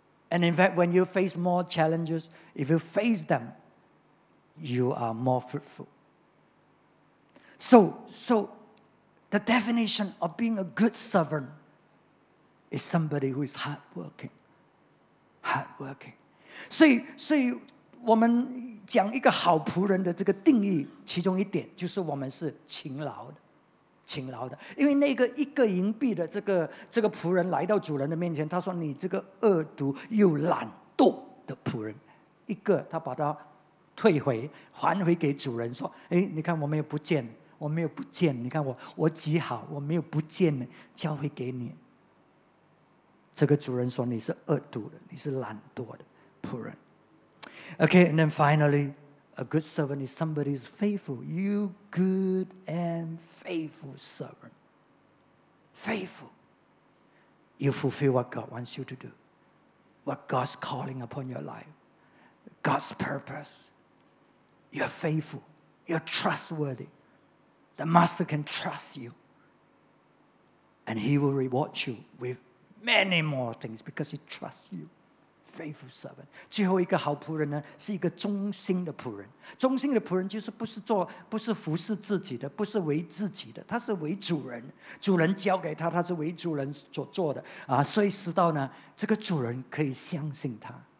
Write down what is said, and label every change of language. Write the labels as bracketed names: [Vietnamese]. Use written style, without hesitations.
[English] And in fact, when you face more challenges, if you face them, you are more fruitful. So the definition of being a good servant is somebody who is hardworking. Hardworking. [Chinese] 所以我们讲一个好仆人的这个定义，其中一点就是我们是勤劳的，勤劳的。因为那个一个银币的这个仆人来到主人的面前，他说：“你这个恶毒又懒惰的仆人。” 一个他把他退回，还回给主人说：“哎，你看我没有不见，我没有不见，你看我极好，我没有不见呢，交回给你。” 这个主人说：“你是恶毒的，你是懒惰的仆人。” [English] Okay, and then finally, a good servant is somebody who's faithful. You good and faithful servant. Faithful. You fulfill what God wants you to do. What God's calling upon your life. God's purpose. You're faithful. You're trustworthy. The master can trust you. And he will reward you with many more things because he trusts you. Faithful servant. [Chinese] 最后一个好仆人呢，是一个忠心的仆人。忠心的仆人就是不是服侍自己的，不是为自己的，他是为主人。主人交给他，他是为主人所做的啊。所以直到呢，这个主人可以相信他。